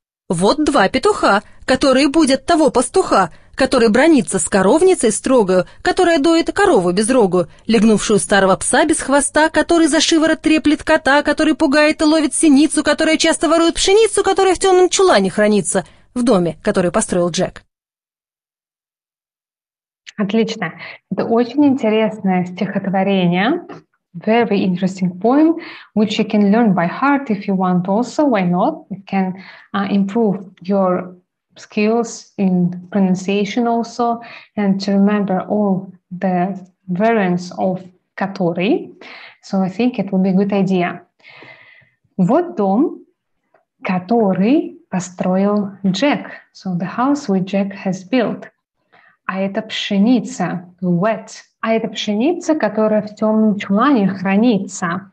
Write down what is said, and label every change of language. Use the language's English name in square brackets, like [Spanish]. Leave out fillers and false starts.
[Russian] Вот два петуха, которые будят того пастуха, который бранится с коровницей строгою, которая доит корову безрогую, легнувшую старого пса без хвоста, который за шиворот треплет кота, который пугает и ловит синицу, которая часто ворует пшеницу, которая в темном чулане хранится в доме, который построил Джек. Отлично. Это очень интересное стихотворение. [English] Very interesting poem, which you can learn by heart if you want also. Why not? It can improve your skills in pronunciation also and to remember all the variants of который. So I think it will be a good idea. [Russian] Вот дом, который построил Джек. [English] So the house which Джек has built. [Russian] А это пшеница, [English] wet. [Russian] А это пшеница, которая в темном чулане хранится.